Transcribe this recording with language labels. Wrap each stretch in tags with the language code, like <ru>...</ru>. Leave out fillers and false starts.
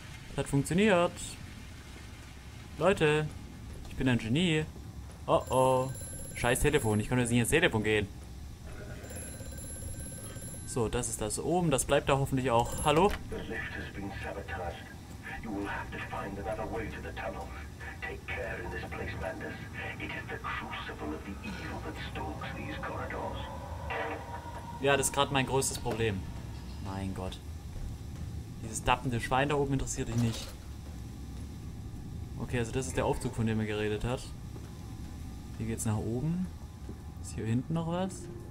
<de>Das hat funktioniert. Leute, ich bin ein Genie. Oh oh. Scheiß Telefon, ich kann jetzt nicht ins Telefon gehen. So, das ist das oben, das bleibt da hoffentlich auch. Hallo?</de> <en>The lift has been sabotaged. You will have to find another way to the tunnel. Take care in this place, Mandus. It is the crucible of the evil that stalks these corridors.</en> <de>Ja, das ist gerade mein größtes Problem. Mein Gott. Dieses dappende Schwein da oben interessiert dich nicht. Okay, also das ist der Aufzug, von dem er geredet hat. Hier geht's nach oben. Ist hier hinten noch was?</de>